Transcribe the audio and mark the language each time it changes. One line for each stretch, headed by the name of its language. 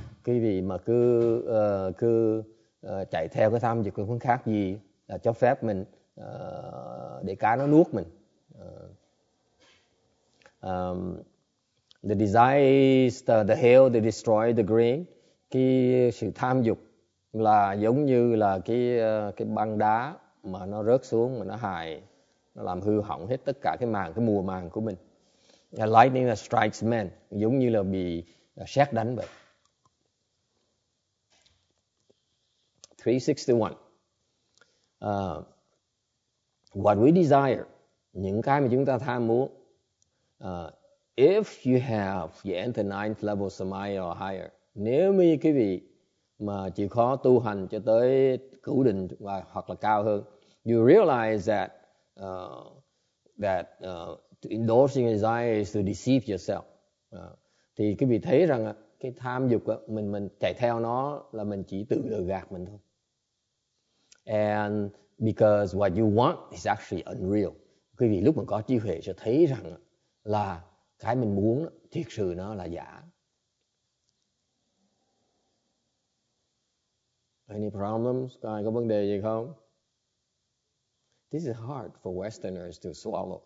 Vietnamese: Quý vị mà cứ chạy theo cái tham dục không khác gì là cho phép mình để cá nó nuốt mình.
English: The desires, the hail, they destroy the grain.
Vietnamese: Cái sự tham dục là giống như là cái băng đá mà nó rớt xuống mà nó hại, nó làm hư hỏng hết tất cả cái mùa màng của mình.
English: The lightning that strikes men,
Vietnamese: giống như là bị sét đánh vậy. 361.
English: What we desire,
Vietnamese: những cái mà chúng ta tham muốn.
English: If you have you enter ninth level samaya or higher,
Vietnamese: nếu như quý vị mà chịu khó tu hành cho tới cửu định hoặc là cao hơn,
English: you realize that to indulge in desire is to deceive yourself.
Vietnamese: Thì quý vị thấy rằng cái tham dục á, mình chạy theo nó là mình chỉ tự lừa gạt mình thôi.
English: And because what you want is actually unreal.
Vietnamese: Quý vị lúc mà có trí huệ sẽ thấy rằng là cái mình muốn thiệt sự nó là giả.
English: Any problems?
Vietnamese: Ai có vấn đề gì không?
English: This is hard for Westerners to swallow.